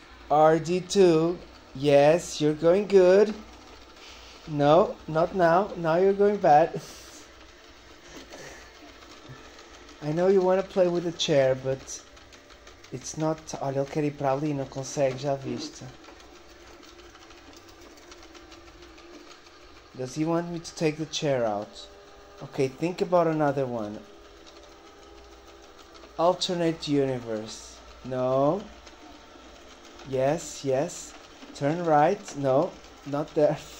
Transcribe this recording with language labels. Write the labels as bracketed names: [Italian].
[English] RD2. Yes, you're going good. No, not now. Now you're going bad. I know you want to play with the chair, but it's not. [Portuguese] Olha, ele quer ir para ali e não consegue, já viste. [English] Does he want me to take the chair out? Okay, think about another one. Alternate universe. No. Yes, yes. Turn right. No, not there.